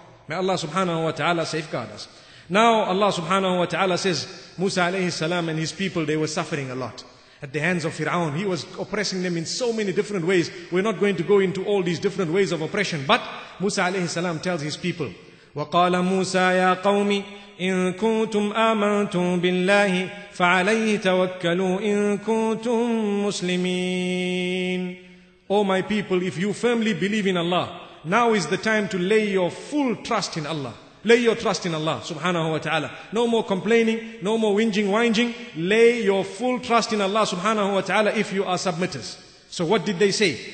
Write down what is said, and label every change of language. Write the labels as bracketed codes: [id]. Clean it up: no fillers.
[en] May Allah subhanahu wa ta'ala safeguard us. Now Allah subhanahu wa ta'ala says, Musa alayhi salam and his people, they were suffering a lot at the hands of Fir'aun. He was oppressing them in so many different ways. We're not going to go into all these different ways of oppression, but Musa alayhi salam tells his people, [ar] وقال موسى يا قوم إن كنتم آمنتم بالله فعليه توكلوا إن كنتم مسلمين. [en] Oh my people, if you firmly believe in Allah, now is the time to lay your full trust in Allah. Lay your trust in Allah subhanahu wa ta'ala. No more complaining, no more whinging, whinging. Lay your full trust in Allah subhanahu wa ta'ala if you are submitters. So what did they say?